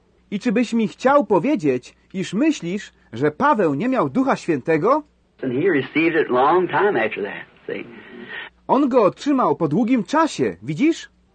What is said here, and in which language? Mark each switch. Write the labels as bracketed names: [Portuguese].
[Polish] I czy byś mi chciał powiedzieć, iż myślisz, że Paweł nie miał Ducha Świętego? [English] And he received it long time after that, see? [Polish] On go otrzymał po długim czasie, widzisz?